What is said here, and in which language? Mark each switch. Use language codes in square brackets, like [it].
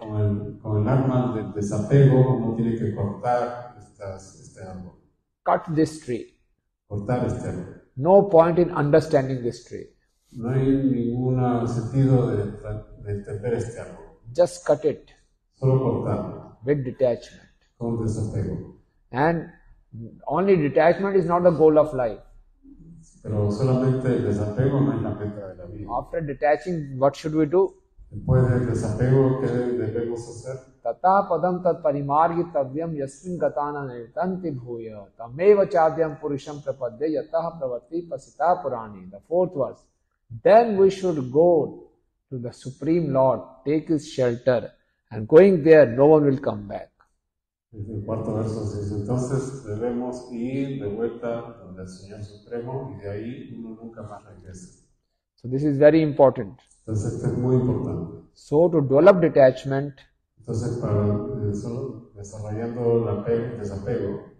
[es] Con el arma de desapego, uno tiene que cortar este árbol. [en] Cut this tree. [es] Cortar este árbol. [en] No point in understanding this tree. [es] No hay ningún sentido de entender este árbol. [en] Just cut it. [es] Solo cortarlo. [en] With detachment. [es] Con desapego. [en] And only detachment is not the goal of life. [es] Pero solamente el desapego no es la meta de la vida. [en] After detaching, what should we do? [es] Después del desapego, ¿qué debemos hacer? [sa] Tata padam tat parimargitavyam yasvim gatana nirtanti bhuya tameva chadyam purusham prapadya yatah pravati pasita purani. [en] The fourth verse. Then we should go to the Supreme Lord, take his shelter, and going there, no one will come back. [es] El cuarto verso dice, entonces debemos ir de vuelta donde el Señor Supremo y de ahí uno nunca más regresa. [en] So this is very important. [es] Entonces esto es muy importante. [en] So to develop detachment, [es] entonces para desarrollando el desapego,